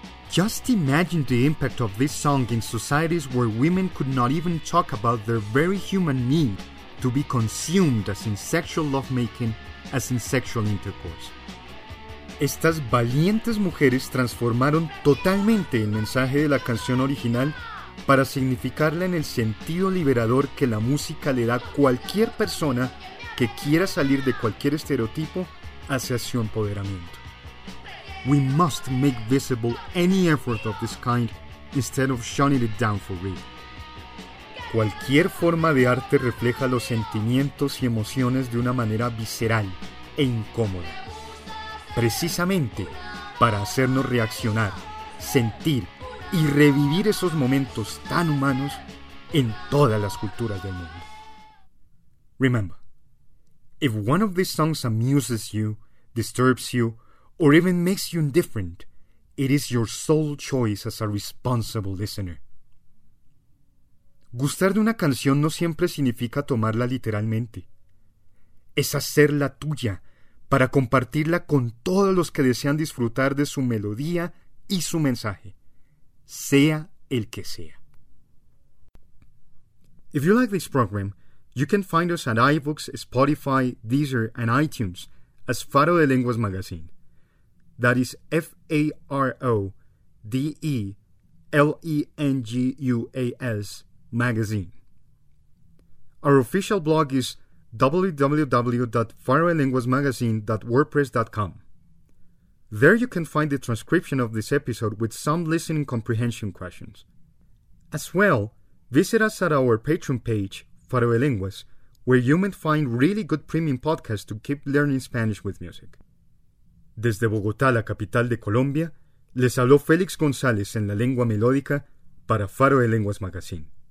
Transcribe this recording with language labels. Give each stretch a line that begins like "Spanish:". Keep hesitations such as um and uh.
English: Just imagine the impact of this song in societies where women could not even talk about their very human need to be consumed as in sexual lovemaking, as in sexual intercourse.
Spanish: Estas valientes mujeres transformaron totalmente el mensaje de la canción original para significarla en el sentido liberador que la música le da a cualquier persona que quiera salir de cualquier estereotipo hacia su empoderamiento.
English: We must make visible any effort of this kind instead of shutting it down for real.
Spanish: Cualquier forma de arte refleja los sentimientos y emociones de una manera visceral e incómoda. Precisamente para hacernos reaccionar, sentir y revivir esos momentos tan humanos en todas las culturas del mundo.
English: Remember, if one of these songs amuses you, disturbs you, or even makes you indifferent, it is your sole choice as a responsible listener.
Spanish: Gustar de una canción no siempre significa tomarla literalmente. Es hacerla tuya para compartirla con todos los que desean disfrutar de su melodía y su mensaje, sea el que sea.
English: If you like this program, you can find us at iBooks, Spotify, Deezer, and iTunes as Faro de Lenguas Magazine. That is F A R O D E L E N G U A S magazine. Our official blog is www.faroelinguasmagazine.wordpress.com. There you can find the transcription of this episode with some listening comprehension questions. As well, visit us at our Patreon page, Faroelinguas, where you may find really good premium podcasts to keep learning Spanish with music.
Spanish: Desde Bogotá, la capital de Colombia, les habló Félix González en la lengua melódica para Faro de Lenguas Magazine.